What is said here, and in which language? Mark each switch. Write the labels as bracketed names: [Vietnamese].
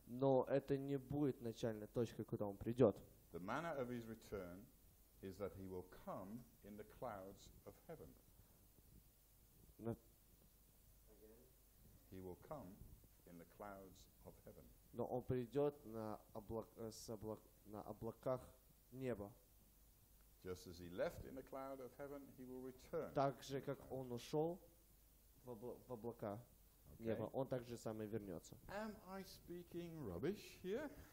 [Russian] Но это не будет начальная точка, куда он придет. [English] The manner of his return is that he will come in the clouds of heaven. He will come in the clouds of heaven. [Russian] Но он придет на облаках неба. [English] Just as he left in the cloud of heaven, he will return. [Russian] Так же, как он ушел в облака неба, он так же сам и вернется. [English] Am I speaking rubbish here?